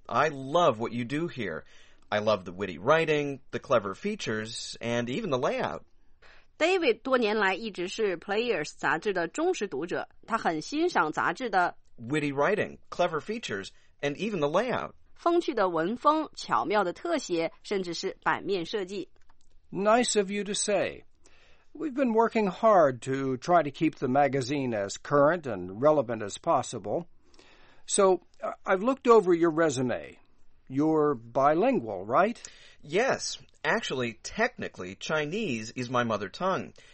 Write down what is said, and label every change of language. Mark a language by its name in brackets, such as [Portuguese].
[English] I love what you do here. I love the witty writing, the clever features, and even the layout. [Chinese] David 多年来一直是 Players 杂志的忠实读者，他很欣赏杂志的 [English] witty writing, clever features, and even the layout. [Chinese] 风趣的文风、巧妙的特写，甚至是版面设计。 [English] Nice of you to say. We've been working hard to try to keep the magazine as current and relevant as possible. So, I've looked over your resume. You're bilingual, right? Yes. Actually, technically, Chinese is my mother tongue.